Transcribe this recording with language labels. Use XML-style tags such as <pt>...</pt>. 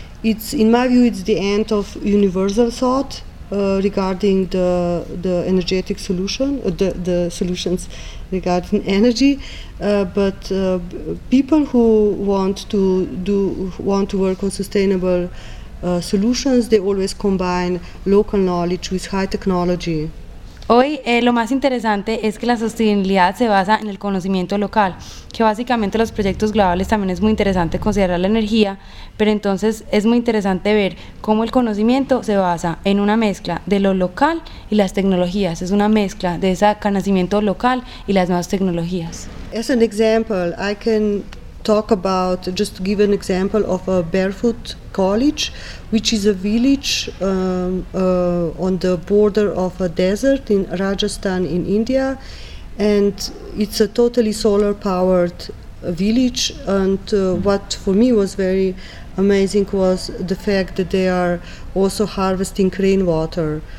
<en>It's, in my view, it's the end of universal thought regarding the energetic solution, the solutions regarding energy. But people who want to work on sustainable solutions, they always combine local knowledge with high technology.</en> <es>Hoy lo más interesante es que la sostenibilidad se basa en el conocimiento local, que básicamente los proyectos globales también es muy interesante considerar la energía, pero entonces es muy interesante ver cómo el conocimiento se basa en una mezcla de lo local y las tecnologías, es una mezcla de ese conocimiento local y las nuevas tecnologías.</es> <en>As an example, I can talk about, just to give an example of a barefoot college, which is a village on the border of a desert in Rajasthan in India, and it's a totally solar powered village, and what for me was very amazing was the fact that they are also harvesting rainwater.</en>